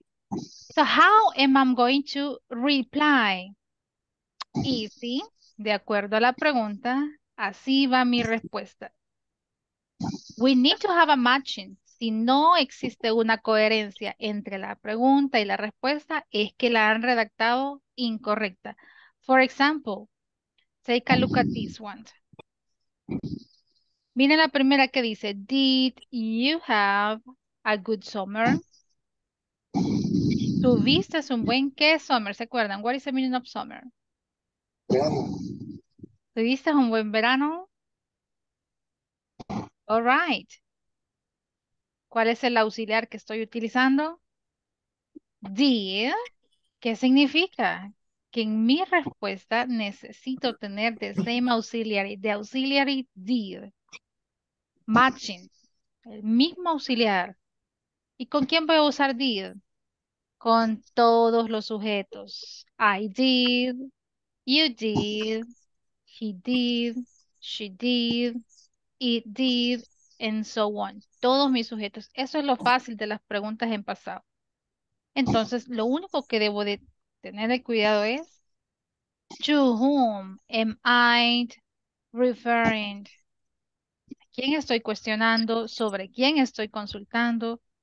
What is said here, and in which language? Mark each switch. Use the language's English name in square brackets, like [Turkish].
[English] So how am I going to reply? Easy. [Spanish] De acuerdo a la pregunta, así va mi respuesta. [English] We need to have a matching. [Spanish] Si no existe una coherencia entre la pregunta y la respuesta, es que la han redactado incorrecta. [English] For example, take a look at this one. [Spanish] Miren la primera que dice, [English] did you have a good summer? [Spanish] ¿Tuviste un buen, qué summer? ¿Se acuerdan? [English] What is the meaning of summer? [Spanish] ¿Tuviste un buen verano? [English] All right. [Spanish] ¿Cuál es el auxiliar que estoy utilizando? Did. ¿Qué significa? que en mi respuesta necesito tener [English] the same auxiliary, the auxiliary did, matching, [Spanish] el mismo auxiliar. ¿Y con quién voy a usar did? Con todos los sujetos. [English] I did, you did, he did, she did, it did, and so on. [Spanish] Todos mis sujetos. Eso es lo fácil de las preguntas en pasado. Entonces, lo único que debo de tener el cuidado es [English] to whom am I referring? [Spanish] ¿A quién estoy cuestionando? ¿Sobre quién estoy consultando?